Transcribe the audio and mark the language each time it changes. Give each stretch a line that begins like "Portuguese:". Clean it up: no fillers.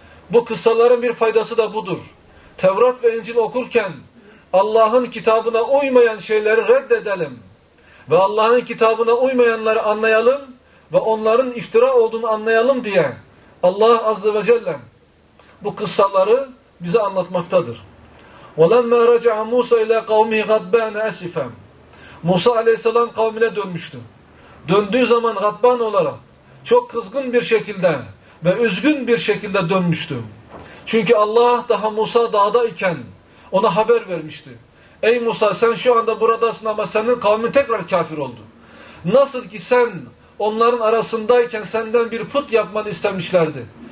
Turkish: Bu kıssaların bir faydası da budur. Tevrat ve İncil okurken Allah'ın kitabına uymayan şeyleri reddedelim ve Allah'ın kitabına uymayanları anlayalım ve onların iftira olduğunu anlayalım diye Allah Azze ve Celle bu kıssaları bize anlatmaktadır.
Arabic: وَلَمَّا رَجَعَ مُوسَى اِلَى قَوْمِهِ غَضْبَانَ أَسِفًا
Turkish: Musa Aleyhisselam kavmine dönmüştü. Döndüğü zaman gadban olarak çok kızgın bir şekilde ve üzgün bir şekilde dönmüştü. Çünkü Allah daha Musa dağda iken ona haber vermişti. Ey Musa, sen şu anda buradasın ama senin kavmin tekrar kafir oldu. Nasıl ki sen onların arasındayken senden bir put yapmanı istemişlerdi.